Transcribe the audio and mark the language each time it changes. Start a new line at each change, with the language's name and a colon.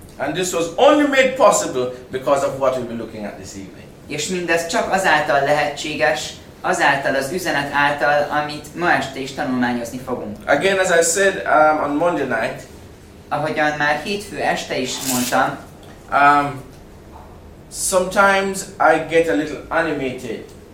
English: And this was only made possible because of what we'll be looking at this evening.
Hungarian: És mindez csak azáltal lehetséges, azáltal az üzenet által, amit ma este is tanulmányozni fogunk.
English: Again, as I said on Monday night,
Hungarian: ahogyan már hétfő este is mondtam,
English: sometimes I get a little animated.